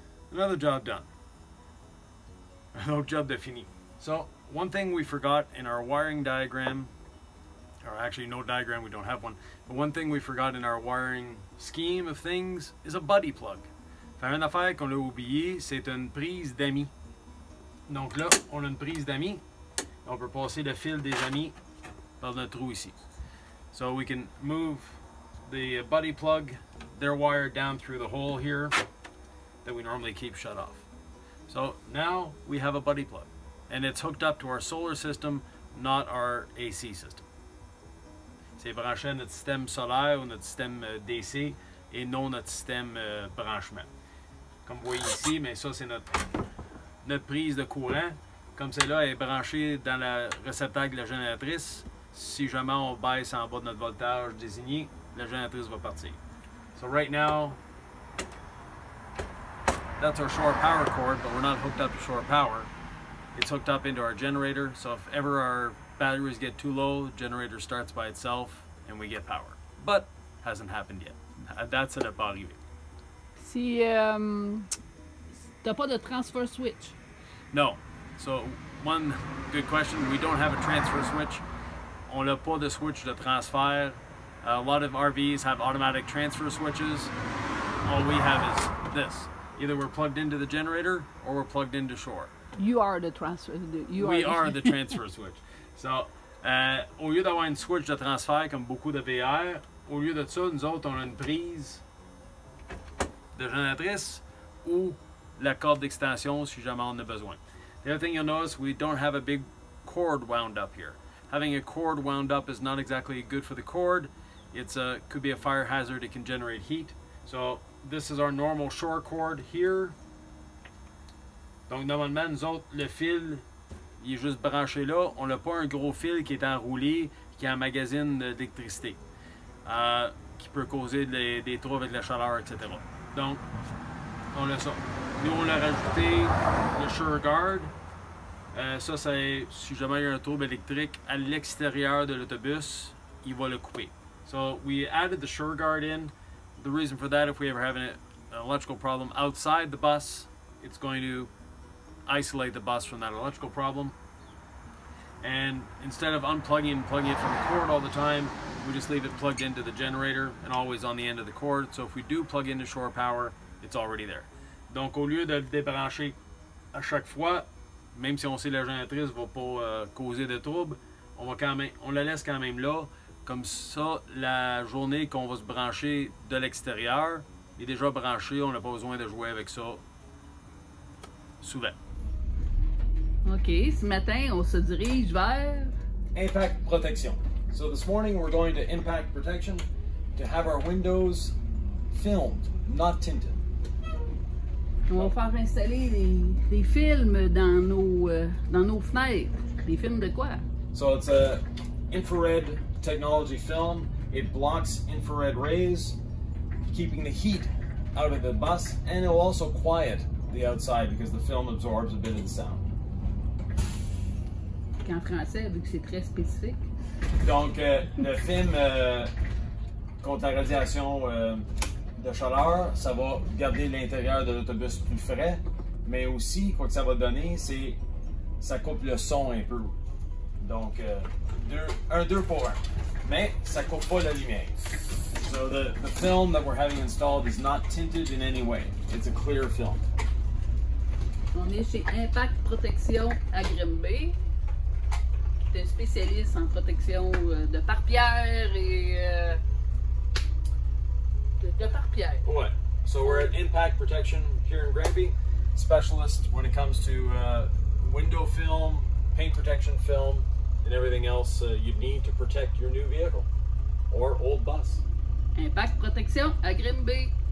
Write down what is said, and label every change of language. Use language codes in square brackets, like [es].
[en] Another job done. Another job [fr] de fini. [en] So, one thing we forgot in our wiring diagram, or actually no diagram, we don't have one, but one thing we forgot in our wiring scheme of things is a buddy plug. [fr] Faire une affaire qu'on a oublié, c'est une prise d'ami. Donc là, on a une prise d'ami. On peut passer le fil des amis par le trou ici. [en] So we can move the buddy plug, their wire down through the hole here, that we normally keep shut off. So now we have a buddy plug and it's hooked up to our solar system, not our AC system. [fr] c'est branché à notre système solaire ou notre système DC et non notre système branchement. Comme vous voyez ici, mais ça c'est notre prise de courant. Comme celle-là est branchée dans le réceptacle de la génératrice, si jamais on baisse en bas de notre voltage désigné, la génératrice va partir. [en] So right now, that's our short power cord, but we're not hooked up to short power. It's hooked up into our generator, so if ever our batteries get too low, generator starts by itself and we get power. But hasn't happened yet. That's it. [fr] Si tu n'as pas de transfer switch. [en] No. So one good question. We don't have a transfer switch. [fr] On n'a pas de switch de transfert. [en] A lot of RVs have automatic transfer switches. All we have is this. Either we're plugged into the generator or we're plugged into shore. You are the transfer. We are the transfer switch. [fr] So, au lieu d'avoir une switch de transfert comme beaucoup de VR, au lieu de ça, nous autres, on a une prise de génératrice ou la corde d'extension si jamais on en a besoin. [en] The other thing you'll notice, we don't have a big cord wound up here. Having a cord wound up is not exactly good for the cord. It could be a fire hazard. It can generate heat. So this is our normal shore cord here. [fr] Donc normalement, nous autres, le fil, il est juste branché là. On n'a pas un gros fil qui est enroulé, qui emmagasine d'électricité, qui peut causer des trous avec la chaleur, etc. Donc, on a ça. Nous, on a rajouté le shore guard. Ça, c'est si jamais il y a un trouble électrique à l'extérieur de l'autobus, il va le couper. [en] So, we added the shore guard in. The reason for that, if we ever have an electrical problem outside the bus, it's going to isolate the bus from that electrical problem. And instead of unplugging and plugging it from the cord all the time, we just leave it plugged into the generator and always on the end of the cord. So if we do plug into shore power, it's already there. [fr] Donc au lieu de le débrancher à chaque fois, même si on sait que la génératrice ne va pas causer de troubles, on la laisse quand même là. Comme ça, la journée qu'on va se brancher de l'extérieur, il est déjà branché, on n'a pas besoin de jouer avec ça souvent. OK, ce matin, on se dirige vers... [en] Impact protection. So this morning, we're going to impact protection to have our windows filmed, not tinted. [fr] On va faire installer des films dans nos fenêtres. Des films de quoi? [en] So it's a infrared technology film. It blocks infrared rays, keeping the heat out of the bus, and it'll also quiet the outside because the film absorbs a bit of the sound. [fr] En français, vu que c'est très spécifique. Donc, le film contre la radiation... de chaleur, ça va garder l'intérieur de l'autobus plus frais, mais aussi, quoi que ça va donner, c'est ça coupe le son un peu. Donc, deux pour un. Mais, ça coupe pas la lumière. [en] So, the film that we're having installed is not tinted in any way. It's a clear film. [fr] On est chez Impact Protection à Grimby. Tu es spécialiste en protection de pare-pierre et... [en] Ouais. So we're at Impact Protection here in Granby, specialist when it comes to window film, paint protection film, and everything else you'd need to protect your new vehicle or old bus. [fr] Impact Protection à Granby.